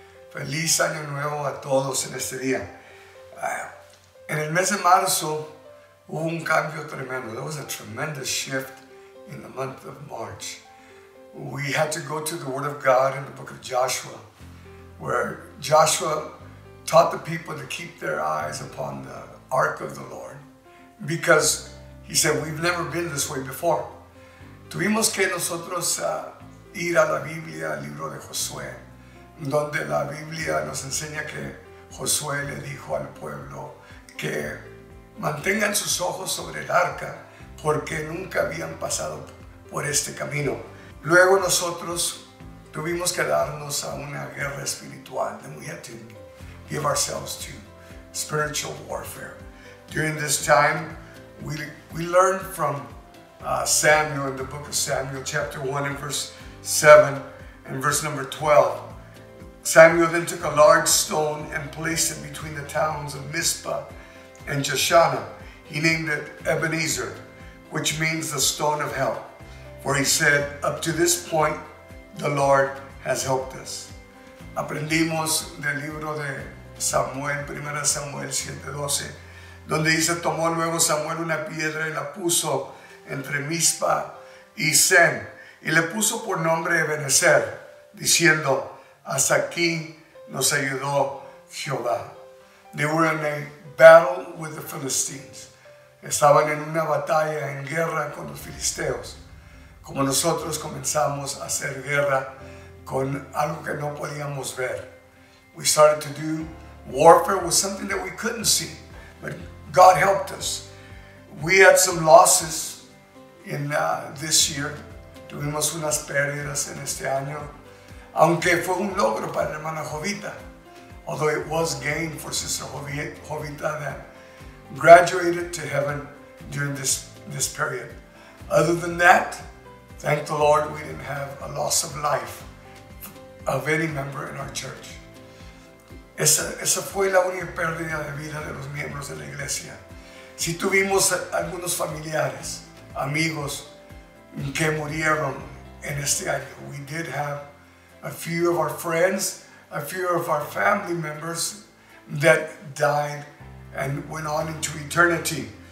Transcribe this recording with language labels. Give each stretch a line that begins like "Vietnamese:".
Spanish: Feliz Año Nuevo a todos en este día. En el mes de marzo hubo un cambio tremendo.
English: There was a tremendous shift in the month of March. We had to go to the Word of God in the book of Joshua, where Joshua taught the people to keep their eyes upon the Ark of the Lord, because he said, we've never been this way before.
Spanish: Tuvimos que nosotros ir a la Biblia, al libro de Josué, donde la Biblia nos enseña que Josué le dijo al pueblo que mantengan sus ojos sobre el arca porque nunca habían pasado por este camino. Luego nosotros tuvimos que darnos a una guerra espiritual.
English: Then we had to give ourselves to spiritual warfare. During this time, we learned from Samuel in the book of Samuel, chapter 1 and verse 7 and verse number 12. Samuel then took a large stone and placed it between the towns of Mizpah and Jeshana. He named it Ebenezer, which means the stone of help. For he said, up to this point, the Lord has helped us.
Spanish: Aprendimos del libro de Samuel, 1 Samuel 7:12, donde dice, tomó luego Samuel una piedra y la puso entre Mizpa y Sen, y le puso por nombre Ebenezer, diciendo, hasta aquí nos ayudó Jehová.
English: They were in a battle with the Philistines.
Spanish: Estaban en una batalla, en guerra con los filisteos. Como nosotros comenzamos a hacer guerra con algo que no podíamos ver.
English: We started to do warfare with something that we couldn't see, but God helped us. We had some losses in this year.
Spanish: Tuvimos unas pérdidas en este año. Aunque fue un logro para hermana Jovita.
English: Although it was gain for Sister Jovita that graduated to heaven during this period. Other than that, thank the Lord we didn't have a loss of life of any member in our church.
Spanish: Esa fue la única pérdida de vida de los miembros de la iglesia. Si tuvimos algunos familiares, amigos que murieron en este año,
English: we did have a few of our friends, a few of our family members that died and went on into eternity.